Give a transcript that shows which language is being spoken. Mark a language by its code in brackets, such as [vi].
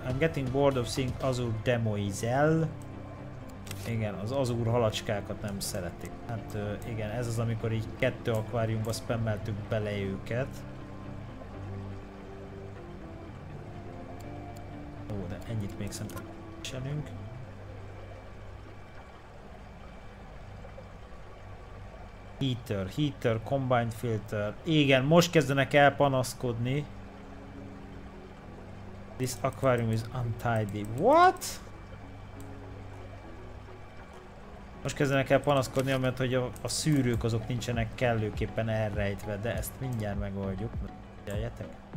[en] I'm getting bored of seeing azur demoizel. [hu] Igen, az azur halacskákat nem szeretik. Hát igen, ez az, amikor így kettő akváriumba spammeltük bele őket. Ó, de ennyit még szerintem viselünk. [en] Heater, combined filter. [hu] Igen, most kezdenek el panaszkodni. [en] This aquarium is untidy. What? [hu] Most kezdenek el panaszkodni, amelyet, hogy a szűrők azok nincsenek kellőképpen elrejtve, de ezt mindjárt megoldjuk. Figyeljetek!